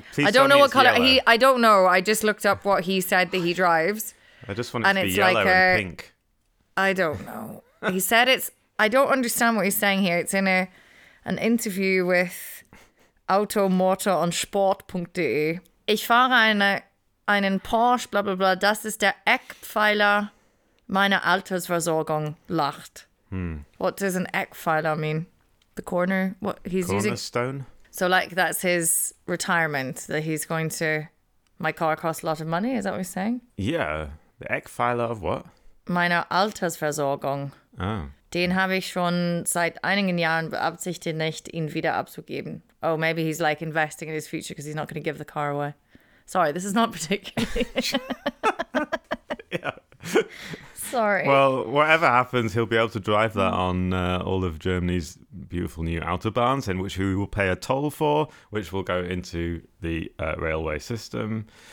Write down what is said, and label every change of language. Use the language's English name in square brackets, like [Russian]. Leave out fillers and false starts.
[English] Please, I don't know what color. Yellow. I don't know. I just looked up what he said that he drives. I just want it to be yellow, like, and pink. I don't know. He said it's... I don't understand what he's saying here. It's in an interview with Automotor on Sport.de. [German] Ich fahre einen Porsche, bla bla bla. Das ist der Eckpfeiler meiner Altersversorgung. Lacht. [English] What does an Eckpfeiler mean? The corner? Cornerstone? So, like, that's his retirement, that he's going to... My car costs a lot of money, is that what he's saying? Yeah. The Eckpfeiler of what? [German] Meine Altersversorgung. Oh. Den habe ich schon seit einigen Jahren beabsichtigt, nicht ihn wieder abzugeben. [English] Oh, maybe he's like investing in his future because he's not going to give the car away. Sorry, this is not particularly... Sorry. Well, whatever happens, he'll be able to drive that on all of Germany's beautiful new autobahns, in which we will pay a toll for, which will go into the railway system.